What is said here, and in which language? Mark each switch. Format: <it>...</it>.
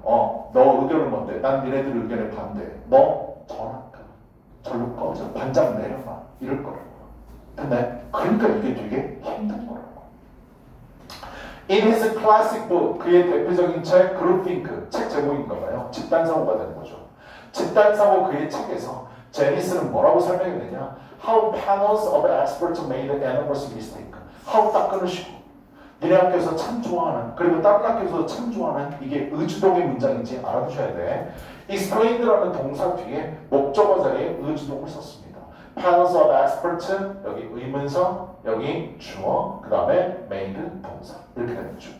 <ko>너 의견은 뭔데? 난 니네들 의견에 반대. 너 전학가. 절로 꺼져. 반장 내려가. 이럴 거라고. 근데 그러니까 이게 되게 힘든 거라고.</ko> <en>In his classic book,</en> <ko>그의 대표적인 책, Groupthink, 책 제목인가 봐요. 집단사고가 되는 거죠. 집단사고 그의 책에서 제니스는 뭐라고 설명했느냐?</ko> <en>How panels of experts made an enormous mistake.</en> <ko>How 딱 끊으시고. 니네 학교에서 참 좋아하는, 그리고 다른 학교에서 참 좋아하는 이게 의주동의 문장인지 알아두셔야 돼. Explained라는 동사 뒤에 목적어사의 의주동을 썼습니다.</ko> <en>Panels of experts,</en> <ko>여기 의문사, 여기 주어, 그 다음에 made 동사. 이렇게 되겠죠.</ko>